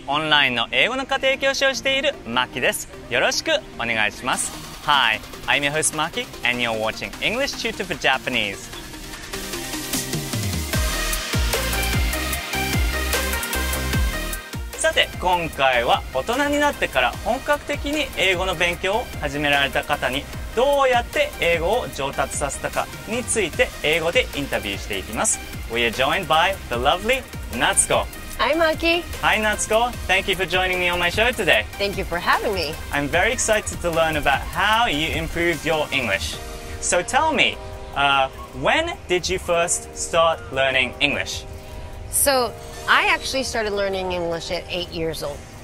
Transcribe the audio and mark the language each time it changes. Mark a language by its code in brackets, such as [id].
[ja] オンラインの英語の家庭教師をしているマキです。よろしくお願いします。 [en] Hi, I'm your host Maki and you're watching English Tutor for Japanese。 [ja] さて今回は大人になってから本格的に英語の勉強を始められた方にどうやって英語を上達させたかについて英語でインタビューしていきます。 [en] We are joined by the lovely Natsuko。 Hi, Maki. Hi, Natsuko. Thank you for joining me on my show today. Thank you for having me. I'm very excited to learn about how you improved your English. So tell me, when did you first start learning English? So I actually started learning English at 8 years old.